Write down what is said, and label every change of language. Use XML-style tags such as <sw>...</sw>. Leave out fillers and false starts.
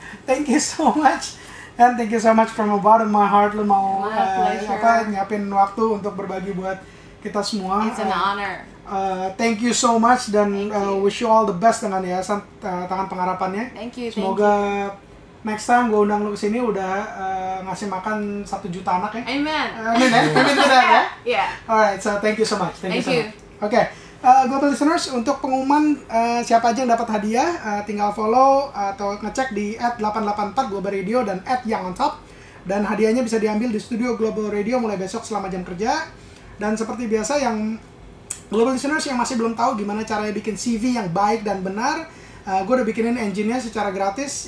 <en>Thank you so much, and thank you so much from the bottom of my heart.</en> <id>Lo mau nyiapin waktu untuk berbagi buat kita semua.</id> <en>It's an honor. Thank you so much dan wish you all the best</en> <id>dengan yayasan</id> <en>Tangan Pengharapannya. Thank you.</en> <id>Semoga</id> <en>next time</en> <id>gue undang lo kesini udah ngasih makan 1 juta anak ya.</id> <en>Amen. Amen. Amen. Amen. Amen. Amen. Yeah. Alright, so thank you so much. Thank you. So much. Okay. Global listeners,</en> <id>untuk pengumuman siapa aja yang dapat hadiah, tinggal follow atau ngecek di @884globalradio dan @youngontop. Dan hadiahnya bisa diambil di studio Global Radio mulai besok selama jam kerja. Dan seperti biasa, yang Global listeners yang masih belum tahu gimana caranya bikin CV yang baik dan benar, gue udah bikinin engine-nya secara gratis.</id>